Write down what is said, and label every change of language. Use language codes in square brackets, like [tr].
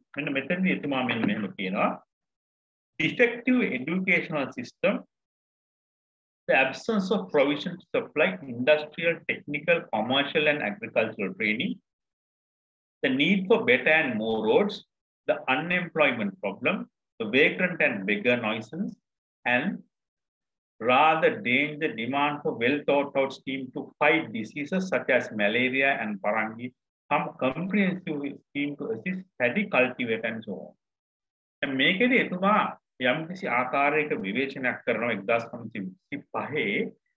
[si] මෙන්න මෙතනදී එතුමා මෙන්න මෙහෙම කියනවා. [en] Defective educational system, the absence of provision to supply industrial, technical, commercial and agricultural training, the need for better and more roads, the unemployment problem, the vagrant and beggar nuisance, and rather danger demand for well thought out scheme to fight diseases such as malaria and parangi, some comprehensive scheme to assist paddy cultivate and so on. And make it [si] etuma යම්කිසි ආකාරයක විවේචනයක් කරනවා 1925